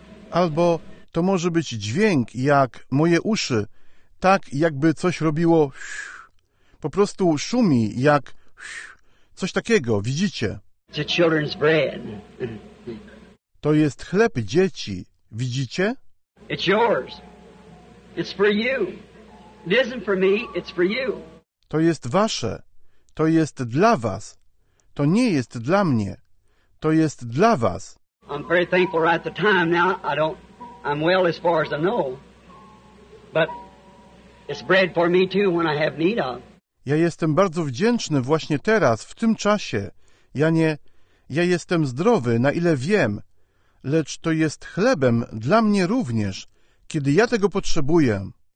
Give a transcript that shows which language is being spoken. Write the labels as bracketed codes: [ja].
[pl] Albo to może być dźwięk, jak moje uszy, tak jakby coś robiło. Po prostu szumi, jak coś takiego, widzicie? [en] It's a children's bread. [pl] To jest chleb dzieci, widzicie? [en] It's yours. It's for you. It isn't for me, it's for you. [pl] To jest wasze. To jest dla was. To nie jest dla mnie. To jest dla was. [en] I'm very thankful right at the time now. I'm well as far as I know. But it's bread for me too when I have need of. [pl] Ja jestem bardzo wdzięczny właśnie teraz, w tym czasie. Ja jestem zdrowy, na ile wiem. Lecz to jest chlebem dla mnie również, kiedy ja tego potrzebuję.